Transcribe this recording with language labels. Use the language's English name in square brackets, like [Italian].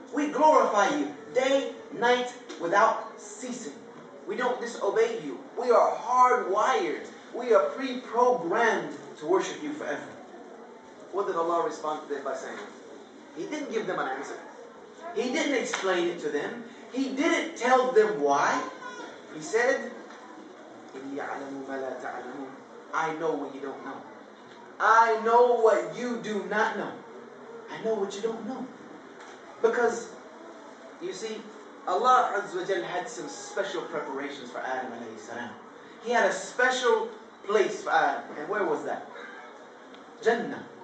[English] We glorify you day, night, without ceasing. We don't disobey you. We are hardwired. We are pre-programmed to worship you forever. What did Allah respond to them by saying? He didn't give them an answer. He didn't explain it to them. He didn't tell them why. [Arabic] He said, إِنِّي عَلَمُ مَلَا تَعْلَمُ. [English] I know what you don't know. I know what you do not know. I know what you don't know. Because, you see, Allah Azza wa Jalla had some special preparations for Adam alayhi salam. He had a special place for Adam. And where was that? Jannah.